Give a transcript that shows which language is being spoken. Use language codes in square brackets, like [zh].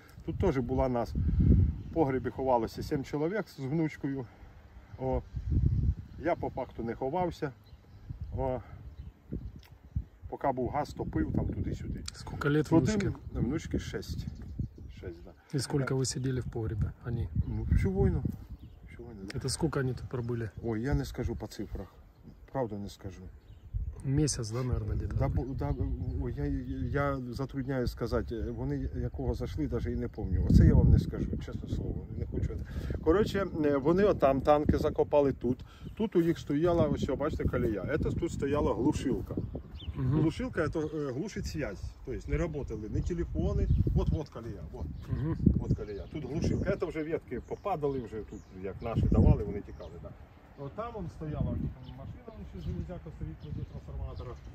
[uk] Тут теж була нас, в погребі ховалося 7 чоловік з внучкою. О, я по факту не ховався. О, поки був газ, топив там туди-сюди. Скільки років внучки? Внучки 6. Да. І скільки ви сиділи в погребі, вони? Ну, всю війну. [ru] Это сколько они тут пробыли? [uk] Ой, я не скажу по цифрах. Правда, не скажу. [ru] Месяц, да, наверное, где-то? Да, я затрудняю сказать. [uk] Вони якого зайшли, даже і не помню. Оце я вам не скажу, чесне слово. Не хочу. Короче, вони отам танки закопали тут. Тут у них стояла, ось, бачите, колія. [ru] Это тут стояла глушилка. Угу. Глушилка это глушить связь. То есть не работали ни телефоны. Вот колея. Вот колея. Тут глушилка. Это уже ветки попадали уже тут, как наши давали, [uk] вони тікали. [ru] Да. Вот там он стояла машина, он еще железяка стоит на трансформатора.